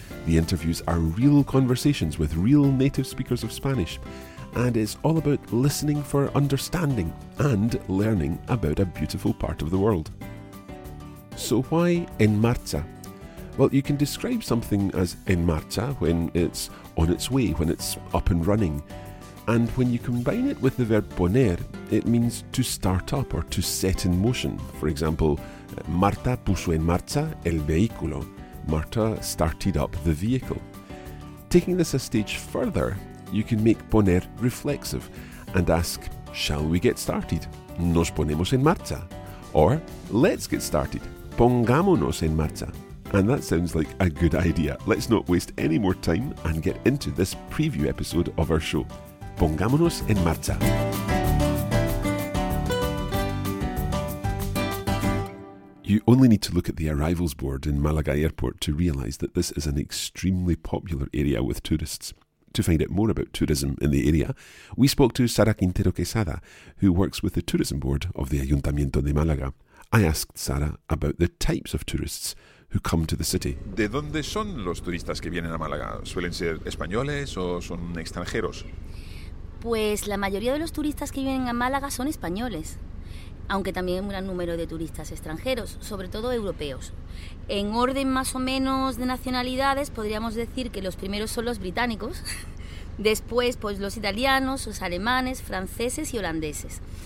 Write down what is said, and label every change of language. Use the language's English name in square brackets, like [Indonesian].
[English] The interviews are real conversations with real native speakers of Spanish, and it's all about listening for understanding and learning about a beautiful part of the world. So why En Marcha? Well, you can describe something as en marcha when it's on its way, when it's up and running. And when you combine it with the verb poner, it means to start up or to set in motion. [Spanish] For example, Marta puso en marcha el vehículo. [English] Marta started up the vehicle. Taking this a stage further, you can make poner reflexive and ask, shall we get started? [Spanish] Nos ponemos en marcha. [English] Or, let's get started. [Spanish] Pongámonos en marcha. [English] And that sounds like a good idea. Let's not waste any more time and get into this preview episode of our show. [Spanish] Pongámonos en marcha. [English] You only need to look at the arrivals board in Málaga Airport to realise that this is an extremely popular area with tourists. To find out more about tourism in the area, we spoke to Sara Quintero Quesada, who works with the tourism board of the Ayuntamiento de Málaga. I asked Sara about the types of tourists who come to the city. [Spanish] ¿De dónde son los turistas que vienen a Málaga? ¿Suelen ser españoles o son extranjeros? Pues la mayoría de los turistas que vienen a Málaga son españoles, aunque también un gran número de turistas extranjeros, sobre todo europeos. En orden más o menos de nacionalidades, podríamos decir que los primeros son los británicos, después pues los italianos, los alemanes, franceses y holandeses.